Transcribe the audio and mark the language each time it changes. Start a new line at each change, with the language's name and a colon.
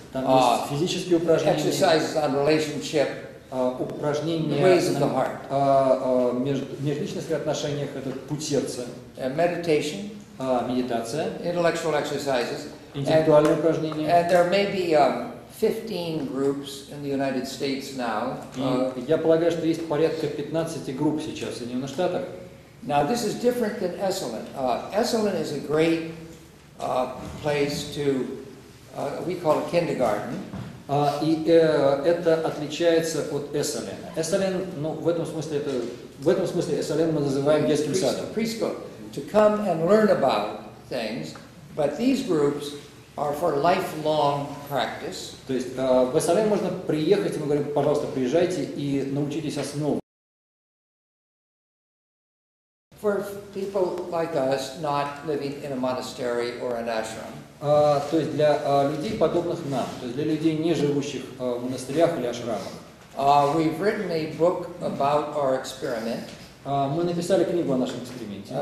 Russian: Там есть физические упражнения.
English: Exercises on relationship.
Russian: Упражнения.
English: Ways of the heart.
Russian: Межличностных отношениях, это путь сердца.
English: Meditation.
Russian: Медитация.
English: Intellectual exercises.
Russian: Интеллектуальные упражнения.
English: And there may be 15 groups in the United States now.
Russian: Я полагаю, что есть порядка 15 групп сейчас в Соединенных Штатах.
English: Now this is different than Esalen. Esalen is a great place to we call it kindergarten.
Russian: Это отличается от Esalen. Esalen, ну в этом смысле Esalen мы называем детским садом.
English: Preschool. To come and learn about things, but these groups are for lifelong practice.
Russian: То есть в Esalen можно приехать, мы говорим, пожалуйста, приезжайте и научитесь основам.
English: For people like us, not living in a monastery or an ashram.
Russian: То есть для людей подобных нам, то есть для людей не живущих в монастырях или ашрамах.
English: We've written a book about our experiment.
Russian: Мы написали книгу о нашем эксперименте.